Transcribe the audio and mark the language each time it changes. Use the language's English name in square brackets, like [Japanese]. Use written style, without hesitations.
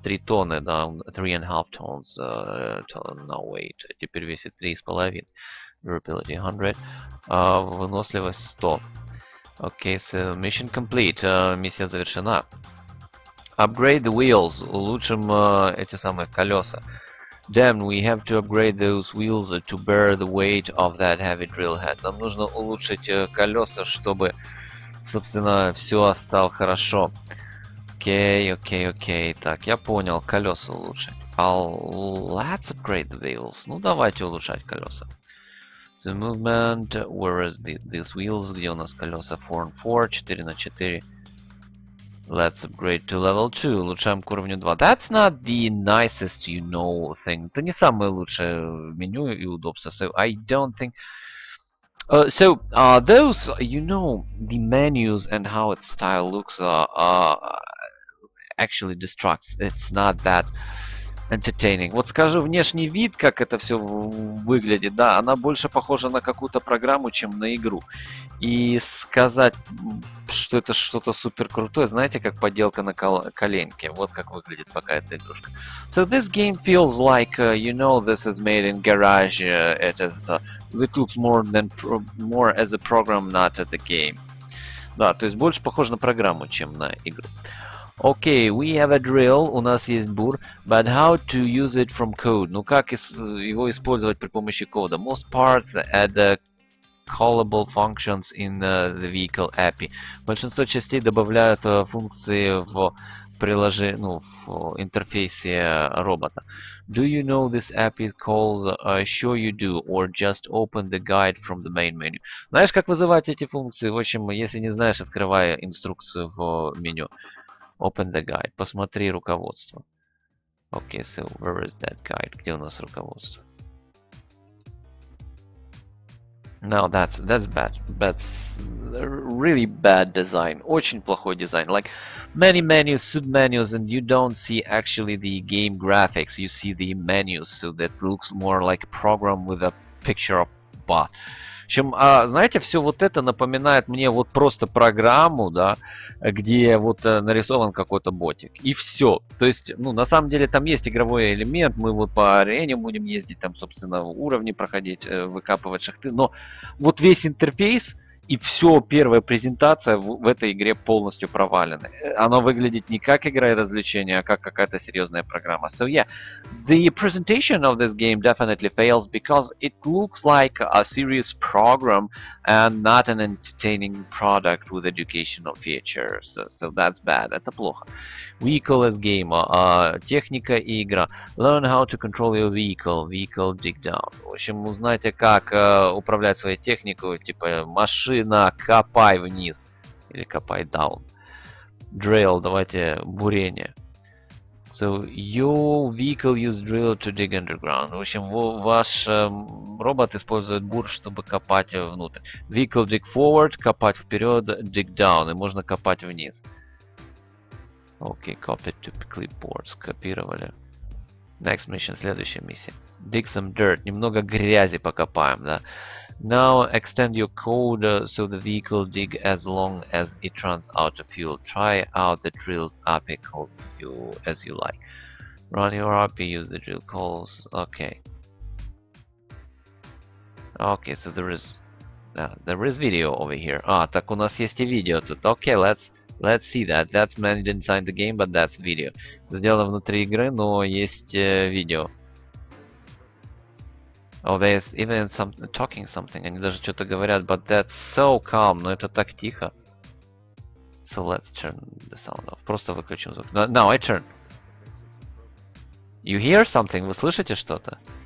[Russian] 3 тонны, да, [English] 3.5 tons. No weight. [Russian] Теперь весит 3,5. [English] Durability 100. [Russian] Выносливость 100. [English] Okay, so mission complete. [Russian] Миссия завершена. [English] Upgrade the wheels. [Russian] Улучшим эти самые колеса. [English] Damn, we have to upgrade those wheels to bear the weight of that heavy drill head. [Russian] Нам нужно улучшить колеса, чтобы, собственно, все стало хорошо. Окей, окей, окей. Так, я понял, колеса улучшить. [English] Let's upgrade the wheels. [Russian] Ну, давайте улучшать колеса. [English] The movement, where is these wheels? [Russian] Где у нас колеса? 4 на 4, 4 на 4. [English] Let's upgrade to level 2. [Russian] Улучшаем к уровню 2. [English] That's not the nicest, you know, thing. [Russian] Это не самое лучшее меню и удобство. [English] So, I don't think... those, you know, the menus and how its style looks actually destructs. It's not that entertaining. [Russian] Вот скажи, внешний вид, как это все выглядит, да, она больше похожа на какую-то программу, чем на игру. И сказать, что это что-то супер крутое, знаете, как подделка на коленке. Вот как выглядит пока эта игрушка. [English] So this game feels like, you know, this is made in garage. It is, it looks more than more as a program, not as a game. [Russian] Да, то есть больше похоже на программу, чем на игру. [English] Okay, we have a drill, [Russian] у нас есть бур, [English] but how to use it from code? [Russian] Ну как его использовать при помощи кода? [English] Most parts add callable functions in the vehicle API. [Russian] Большинство частей добавляют функции в приложение, ну, в интерфейсе робота. [English] Do you know this API calls? Sure you do, or just open the guide from the main menu. [Russian] Знаешь, как вызывать эти функции? В общем, если не знаешь, открывай инструкцию в меню. [English] Open the guide. [Russian] Посмотри руководство. [English] Okay, so where is that guide? [Russian] Где у нас руководство? [English] Now that's bad. That's really bad design. [Russian] Очень плохой дизайн. [English] Like many menus, submenus, and you don't see actually the game graphics. You see the menus, so that looks more like program with a picture of bot. [Russian] В общем, знаете, все вот это напоминает мне вот просто программу, да, где вот нарисован какой-то ботик. И все. То есть, ну, на самом деле там есть игровой элемент, мы вот по арене будем ездить, там, собственно, уровни проходить, выкапывать шахты. Но вот весь интерфейс и все первая презентация в этой игре полностью провалена. Она выглядит не как игра и развлечение, а как какая-то серьезная программа. [English] So yeah, the presentation of this game definitely fails because it looks like a serious program and not an entertaining product with educational features. So that's bad. [Russian] Это плохо. [English] Vehicle as game. [Russian] Техника и игра. [English] Learn how to control your vehicle. Vehicle dig down. [Russian] В общем, узнайте, как управлять своей техникой, типа машиной. На копай вниз или копай down. Drill, давайте бурение. [English] So your vehicle use drill to dig underground. [Russian] В общем, ваш робот использует бур, чтобы копать внутрь. [English] Vehicle dig forward, [Russian] копать вперед, [English] dig down, [Russian] и можно копать вниз. [English] Okay, copy to clipboard. [Russian] Скопировали. [English] Next mission, [Russian] следующая миссия. [English] Dig some dirt, [Russian] немного грязи покопаем, да. [English] Now extend your code so the vehicle dig as long as it runs out of fuel. Try out the drill's API code as you like. Run your API, use the drill calls. Okay. Okay, so there is video over here. [Russian] Ah, так у нас есть и видео тут. [English] Okay, let's see that. That's managed inside the game, but that's video. [Russian] Сделано внутри игры, но есть видео. [English] Oh, there's even some talking something. [Russian] Они даже что-то говорят, [English] but that's so calm. [Russian] Но это так тихо. [English] So let's turn the sound off. [Russian] Просто выключим звук. [English] Now I turn. You hear something? [Russian] Вы слышите что-то?